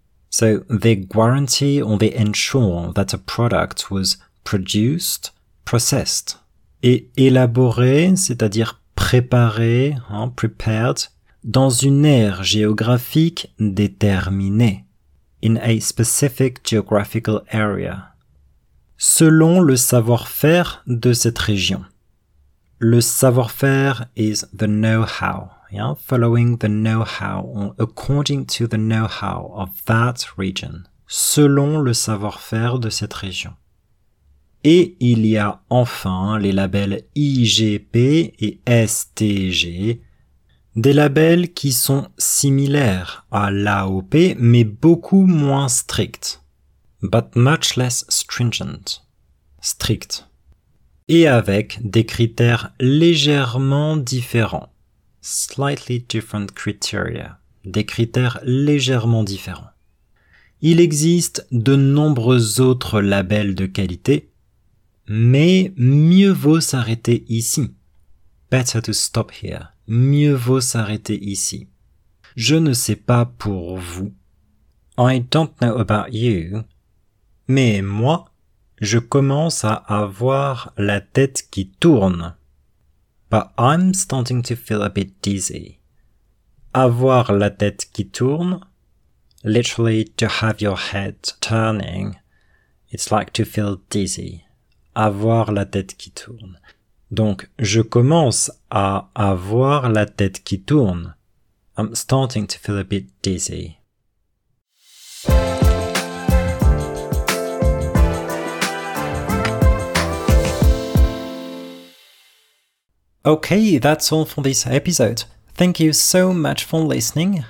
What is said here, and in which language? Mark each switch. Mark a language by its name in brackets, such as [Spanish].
[English] So they guarantee or they ensure that a product was produced, processed [French] et élaboré, c'est-à-dire préparé, hein, [English] prepared, [French] dans une aire géographique déterminée, [English] in a specific geographical area. [French] Selon le savoir-faire de cette région. [English] Le savoir-faire is the know-how, yeah? Following the know-how, or according to the know-how of that region. [French] Selon le savoir-faire de cette région. Et il y a enfin les labels IGP et STG, des labels qui sont similaires à l'AOP, mais beaucoup moins stricts. [English] But much less stringent, strict, [French] et avec des critères légèrement différents, [English] slightly different criteria, [French] des critères légèrement différents. Il existe de nombreux autres labels de qualité, mais mieux vaut s'arrêter ici. [English] Better to stop here, [French] mieux vaut s'arrêter ici. Je ne sais pas pour vous. [English] I don't know about you. [French] Mais moi, je commence à avoir la tête qui tourne. [English] But I'm starting to feel a bit dizzy. [French] Avoir la tête qui tourne. [English] Literally, to have your head turning. It's like to feel dizzy. [French] Avoir la tête qui tourne. Donc, je commence à avoir la tête qui tourne. [English] I'm starting to feel a bit dizzy. Okay, that's all for this episode. Thank you so much for listening.